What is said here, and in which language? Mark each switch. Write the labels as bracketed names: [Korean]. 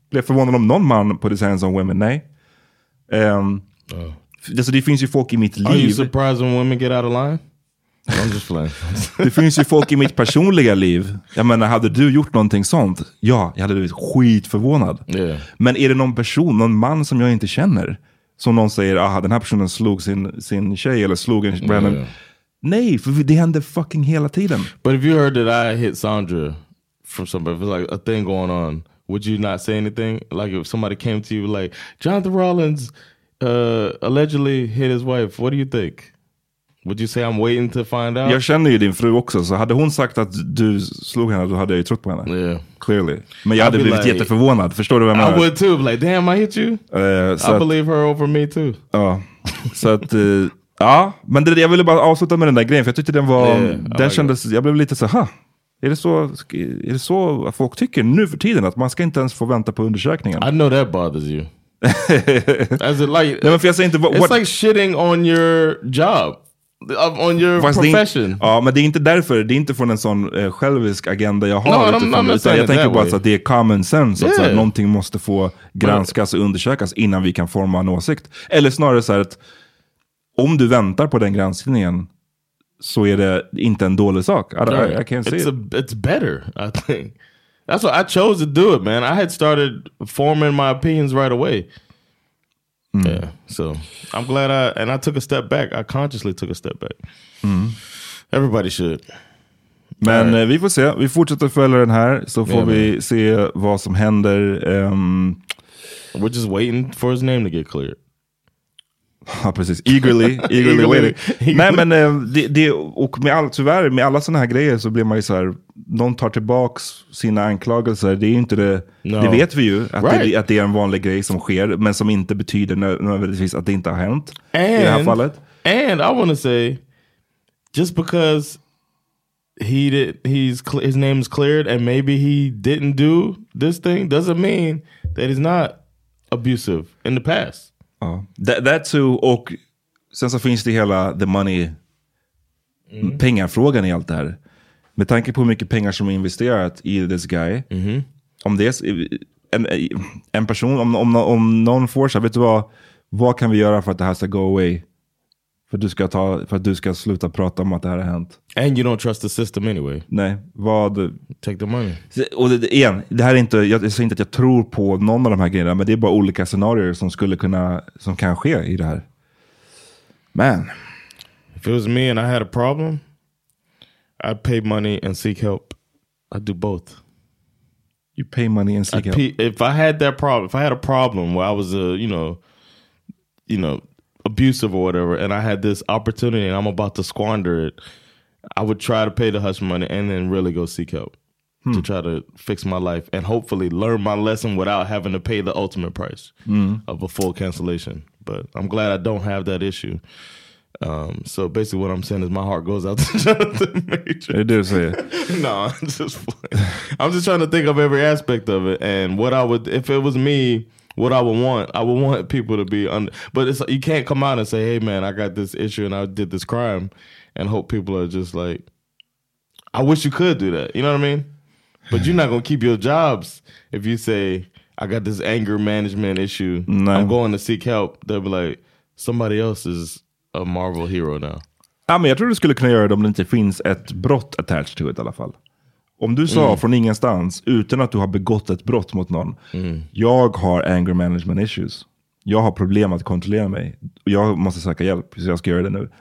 [Swedish] Blir jag förvånad om någon man [English] put his hands on women? [Swedish] Nej. Alltså det finns ju folk i mitt liv. [English] Are you surprised when women get out of line? I'm just playing. [Swedish] Det finns ju folk i mitt personliga liv. Jag menar, hade du gjort någonting sånt? Ja, jag hade blivit skitförvånad. [English] Yeah. [Swedish] Men är det någon person, någon man som jag inte känner, som någon säger, aha, den här personen slog sin tjej eller slog en random. Nej, för det händer fucking hela tiden. [English] But if you heard that I hit Sandra from somebody, if it was like a thing going on, would you not say anything? Like if somebody came to you like, Jonathan Rollins allegedly hit his wife, what do you think? Would you say I'm waiting to find out? [Swedish] Jag känner ju din fru också, så hade hon sagt att du slog henne, då hade jag ju trott på henne. [English] Yeah. Clearly. [Swedish] Men jag hade blivit like, jätteförvånad, förstår du vad jag menar? [English] I would too, like damn I hit you? I believe her over me too. [Swedish] Ja, så att... Ja, men det, jag ville bara avsluta med den där grejen, för jag tyckte den var, den kändes, jag blev lite så, ha, är det så att folk tycker nu för tiden att man ska inte ens få vänta på undersökningen? [English] I know that bothers you. As it like, [Swedish] nej, men för jag säger inte, [English] it's like shitting on your job, on your profession. [Swedish] Ja, men det är inte därför, det är inte från en sån självisk agenda jag har. [English] No, I'm not saying [Swedish] jag tänker bara att det är common sense, yeah. Att någonting måste få granskas och undersökas innan vi kan forma en åsikt. Eller snarare så här att om du väntar på den granskningen så är det inte en dålig sak. [English] It's better, I think. That's what I chose to do it, man. I had started forming my opinions right away. Mm. Yeah, so I'm glad I took a step back. I consciously took a step back. Mm. Everybody should. [Swedish] Men right. Vi får se. Vi fortsätter följa den här så får vi se vad som händer. [English] We're just waiting for his name to get cleared. [Swedish] Ja, precis. [English] Eagerly waiting. [Swedish] Nej, men och med all, tyvärr, med alla såna här grejer så blir man ju så här, någon tar tillbaks sina anklagelser. Det är ju inte det, [English] no. [Swedish] Det vet vi ju, att det är en vanlig grej som sker, men som inte betyder nödvändigtvis att det inte har hänt [English] and, [Swedish] i det här fallet. [English] And I want to say, just because his name is cleared and maybe he didn't do this thing, doesn't mean that he's not abusive in the past. [Swedish] Ja, [English] that too, [Swedish] och sen så finns det hela [English] the money, [Swedish] pengarfrågan i allt det här. Med tanke på hur mycket pengar som är investerat i [English] this guy, [Swedish] om det är en person, om någon får så, vet du vad kan vi göra för att det här ska [English] go away? [Swedish] För att du ska sluta prata om att det här har hänt. [English] And you don't trust the system anyway. [Swedish] Nej, vad... [English] Take the money. [Swedish] Och igen, det här är inte... Jag säger inte att jag tror på någon av de här grejerna. Men det är bara olika scenarier som skulle kunna... Som kan ske i det här. Man. [English] If it was me and I had a problem, I'd pay money and seek help. I'd do both. You pay money and seek help. If I had that problem, if I had a problem where I was a, you know... abusive or whatever, and I had this opportunity and I'm about to squander it, I would try to pay the hush money and then really go seek help to try to fix my life and hopefully learn my lesson without having to pay the ultimate price of a full cancellation. But I'm glad I don't have that issue. So basically what I'm saying is my heart goes out to Jonathan Majors. It did say it. No, I'm just trying to think of every aspect of it and what I would, if it was me, what I would want people to be but it's, you can't come out and say, hey man, I got this issue and I did this crime and hope people are just like, I wish you could do that, you know what I mean? But you're not gonna keep your jobs if you say, I got this anger management issue, no. I'm going to seek help. They'll be like, somebody else is a Marvel hero now. [Swedish] Ja, men jag tror du skulle kunna göra det om det inte finns ett brott [English] attached to it [Swedish] i alla fall. Om du sa från ingenstans, utan att du har begått ett brott mot någon, jag har [English] anger management issues. [Swedish] Jag har problem att kontrollera mig. Jag måste söka hjälp, så jag ska göra det nu.